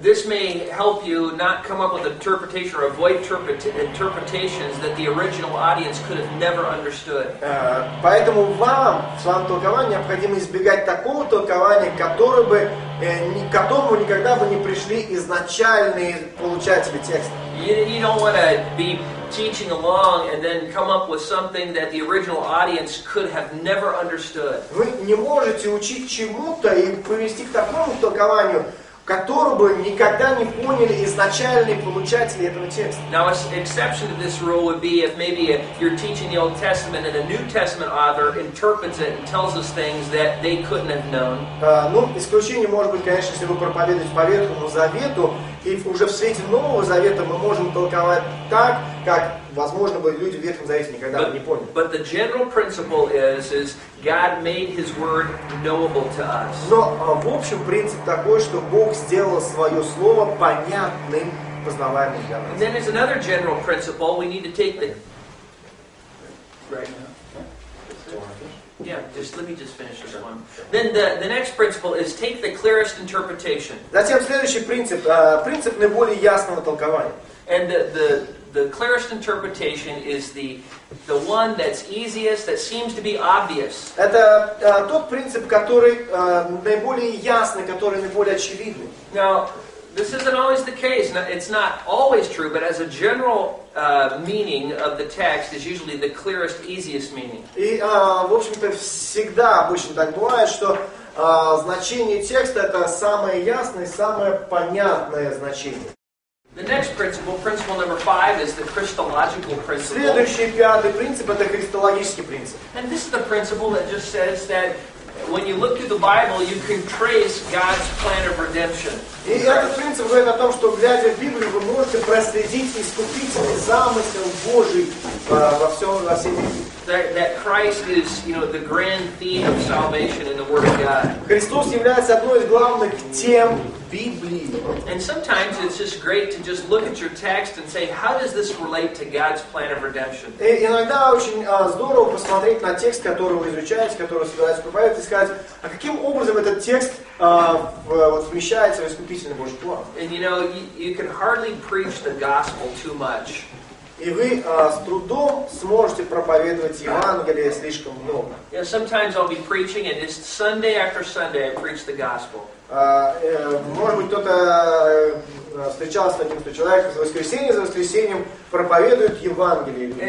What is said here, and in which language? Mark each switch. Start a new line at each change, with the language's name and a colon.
English: This may help you not come up with interpretation or avoid interpretations that the original audience could have never understood.
Russian: Поэтому вам в своем толковании необходимо избегать такого толкования, которому никогда бы не пришли изначальные получатели текста.
English: You don't want to be teaching along and then come up with something that the original audience could have never understood.
Russian: Вы не можете учить чему-то и привести к такому толкованию, который бы никогда не поняли изначальные получатели этого текста.
English: Now, an exception to this rule would be if maybe you're teaching the Old Testament and a New Testament author interprets it and tells us things that they couldn't have known.
Russian: Ну, исключение может быть, конечно, если вы проповедуете по Ветхому Завету, и уже в свете Нового Завета мы можем толковать так, как, возможно, бы люди в Ветхом Завете никогда бы не поняли.
English: But the general principle is God made His Word knowable to us.
Russian: Но в общем принцип такой, что Бог сделал Свое Слово понятным, познаваемым для нас.
English: And then there's another general principle. We need to take the... Right now. Yeah, just let me just finish this one. Then the next principle is take the clearest interpretation.
Russian: Затем следующий принцип. Принцип наиболее ясного толкования.
English: And the clearest interpretation is the one that's easiest, that seems to be obvious.
Russian: Это тот принцип, который наиболее ясный, который наиболее очевидный.
English: Now, this isn't always the case. It's not always true, but as a general meaning of the text is usually the clearest, easiest meaning.
Russian: И, в общем-то, всегда обычно так бывает, что значение текста — это самое ясное, самое понятное значение.
English: The next principle, principle number 5, is the Christological principle.
Russian: Следующий, пятый принцип — это христологический принцип.
English: And this is the principle that just says that when you look through the Bible, you can trace God's plan of redemption.
Russian: И этот принцип говорит о том, что, глядя в Библию, вы можете проследить искупительный замысел Божий во всем, во всей Библии.
English: That Christ is, you know, the grand theme of salvation in the Word of God.
Russian: Христос является одной из главных тем Библии.
English: And sometimes it's just great to just look at your text and say, how does this relate to God's plan of redemption?
Russian: И иногда очень здорово посмотреть на текст, который вы изучаете, который собираетесь проповедовать, и сказать, а каким образом этот текст вот вмещается в искупительный Божий план?
English: And you know, you can hardly preach the gospel too much.
Russian: И вы с трудом сможете проповедовать Евангелие слишком много.
English: Yeah, sometimes I'll be preaching, and it's Sunday after Sunday I preach the gospel.
Russian: Может быть, кто-то встречался с таким, что человек за воскресеньем проповедует Евангелие.